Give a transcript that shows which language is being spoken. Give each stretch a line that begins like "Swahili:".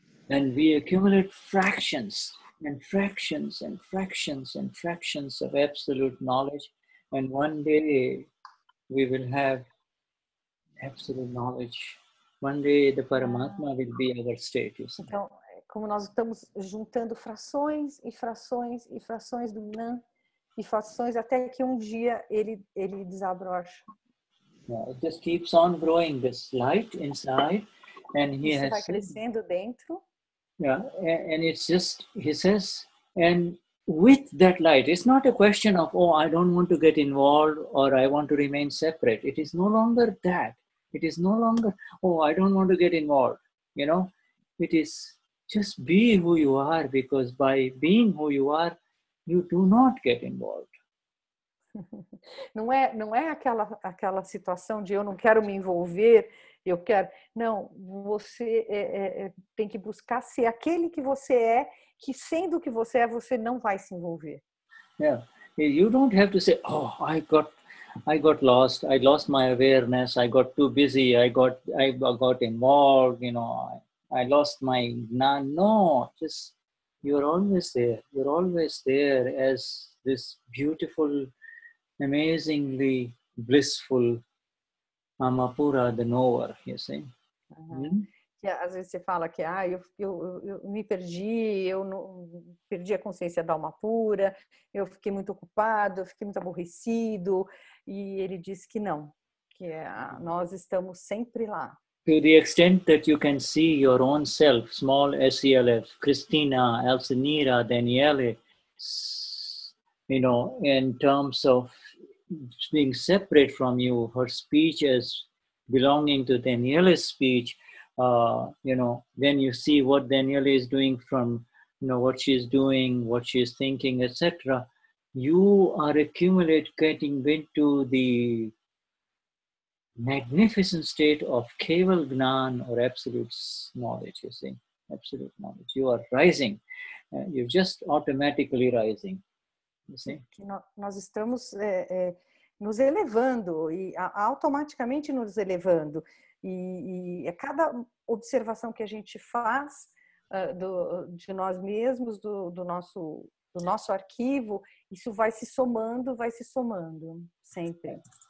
English: And we accumulate fractions and fractions and fractions and fractions of absolute knowledge, and one day we will have absolute knowledge. One day the Paramatma will be our state, you see.
Portuguese: Então, como nós estamos juntando frações e frações e frações do Gnan e frações até que um dia ele desabrocha.
English: Yeah, it just keeps on growing this light inside, and he has.
Portuguese: Está crescendo dentro.
English: Yeah, and it's just he says, and with that light, it's not a question of oh, I don't want to get involved or I want to remain separate. It is no longer that. It is no longer, oh, I don't want to get involved, you know. It is just be who you are, because by being who you are, you do not get involved.
Portuguese: Não é aquela situação de eu não quero me envolver, eu quero... Não, você tem que buscar ser aquele que você é, que sendo o que você é, você não vai se envolver.
English: Yeah, you don't have to say, oh, I got lost. I lost my awareness. I got too busy. I got involved. You know, I lost my gnan. No, just you're always there. You're always there as this beautiful, amazingly blissful Amapura, the knower. You see? Uh-huh.
Portuguese: Yeah, às vezes você fala que eu me perdi. Eu não perdi a consciência da alma pura. Eu fiquei muito ocupado. Eu fiquei muito aborrecido. E ele diz que não, que nós estamos sempre lá.
English: To the extent that you can see your own self, small SELF, Cristina, Alcenira, Daniele, you know, in terms of being separate from you, her speech as belonging to Daniele's speech, you know, then you see what Daniele is doing from, you know, what she's doing, what she's thinking, etc. You are accumulating into the magnificent state of Keval Gnan or absolute knowledge, you see, absolute knowledge. You are rising. You're just automatically rising, you see.
Portuguese: Nós estamos nos elevando e automaticamente nos elevando. E a cada observação que a gente faz de nós mesmos, do nosso arquivo, isso vai se somando, sempre.